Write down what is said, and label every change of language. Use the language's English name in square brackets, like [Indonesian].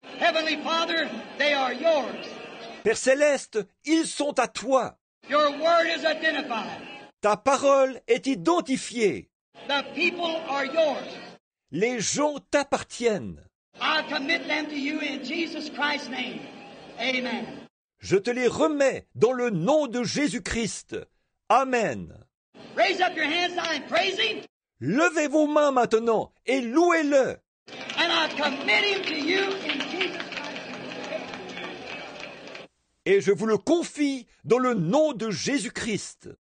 [English] Heavenly Father, they are yours. [French] Père Céleste, ils sont à toi. [English] Your word is identified. [French] Ta parole est identifiée. [English] The people are yours. [French] Les gens t'appartiennent. [English] I commit them to you in Jesus Christ's name. Amen. [French] Je te les remets dans le nom de Jésus-Christ. [English] Amen. Raise up your hands now and praise him. [French] Levez vos mains maintenant et louez-le. [English] And I commit him to you in Jesus Christ's name. [French] Et je vous le confie dans le nom de Jésus-Christ.